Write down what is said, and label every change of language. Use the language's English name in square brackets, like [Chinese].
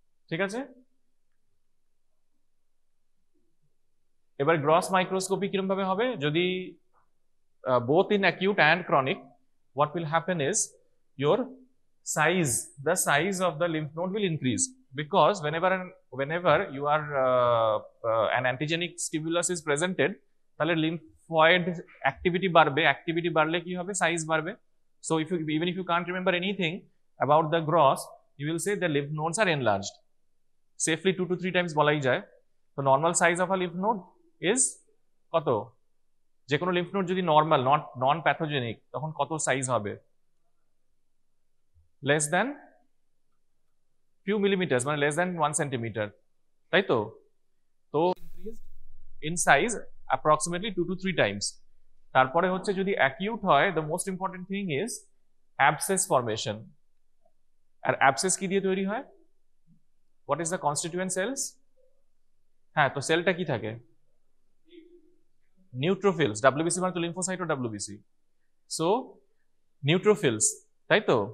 [Bangla] ঠিক আছে, এবার গ্রস মাইক্রোস্কোপি কিরম ভাবে হবে, [English] যদি both in acute and chronic, what will happen is your size, the size of the lymph node will increase, because whenever you are an antigenic stimulus is presented, [Bangla] তাহলে lymphoid activity বাড়বে। Activity বাড়লে কি হবে, size বাড়বে। [English] So if you can't remember anything about the gross, you will say the lymph nodes are enlarged. Safely 2-3 times [Bangla] bolai jay. [English] So normal size of a lymph node is koto. [Bangla] Je kono lymph node jodi normal, [English] not non pathogenic, [Bangla] tokhon koto size hobe? [English] Less than few millimeters, [Bangla] mane [English] less than 1 centimeter. [Bangla] Tai to? [English] To increased in size approximately 2-3 times. [Bangla] তারপরে হচ্ছে যদি acute হয়, [English] The most important thing is abscess formation. [Bangla] আর abscess কি দিয়ে তৈরি হয়, [English] What is the constituent cells? [Bangla] হ্যাঁ, তো সেলটা কি থাকে, নিউট্রোফিলস। ডাব্লিউবিসি মানে তো লিম্ফোসাইট ও ডাব্লিউবিসি, [English] so neutrophils, [Bangla] তাই তো?